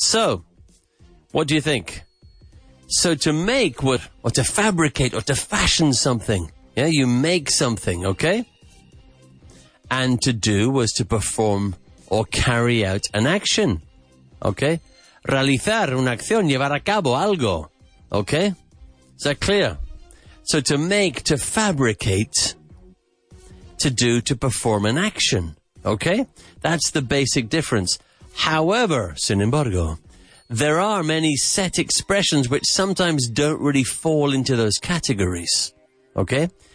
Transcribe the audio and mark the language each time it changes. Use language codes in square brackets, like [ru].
[en] So, what do you think? So, to make what, or to fabricate or to fashion something... Yeah, you make something, okay? And to do was to perform or carry out an action, okay? [es] Realizar una acción, llevar a cabo algo, okay? [en] Is that clear? So to make, to fabricate, to do, to perform an action, okay? That's the basic difference. However, [es] sin embargo, [en] there are many set expressions which sometimes don't really fall into those categories, okay?